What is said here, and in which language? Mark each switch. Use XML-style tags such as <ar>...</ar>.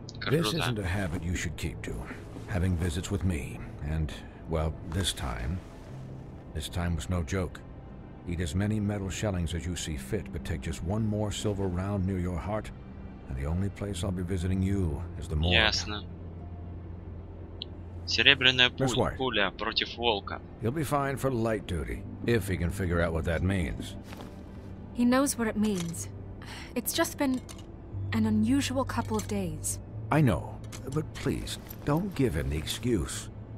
<en>This isn't a habit you should keep to, having visits with me. And, well, this time was no joke. Eat as many metal shellings as you see fit, but take just one more silver round near your heart, and the only place I'll be visiting you is the morgue.</en> <ru>Ясно. Серебряная пуля против волка.</ru> <en>He'll be fine for light duty, if he can figure out what that means. He knows what it means. It's just been an unusual couple of days. I know, but please, don't give him the excuse.</en>